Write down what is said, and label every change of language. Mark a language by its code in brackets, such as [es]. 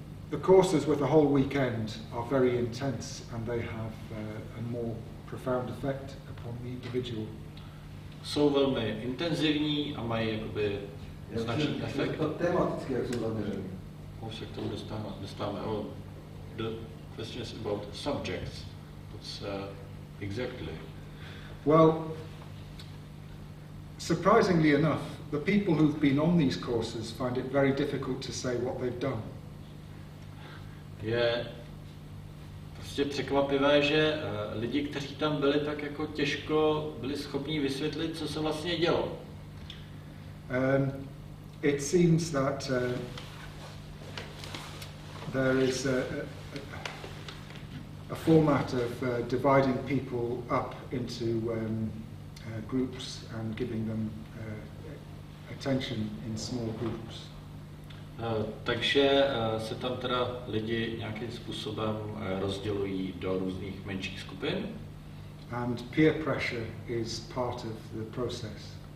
[en] The courses with a whole weekend are very intense, and they have a more profound effect upon the individual. [cs] Jsou velmi intenzivní a mají jakoby značný efekt. Tematicky, jak jsou zaměřeny. Už se k tomu dostáváme. [en] The question is about subjects. What's exactly? Well, surprisingly enough, the people who've been on these courses find it very difficult to say what they've done. [cs] Je prostě překvapivé, že lidi, kteří tam byli, tak jako těžko byli schopni vysvětlit, co se vlastně dělo. [en] It seems that there is a format of dividing people up into groups and giving them attention in small groups. [cs] Takže se tam teda lidi nějakým způsobem rozdělují do různých menších skupin. [en] And peer pressure is part of the process.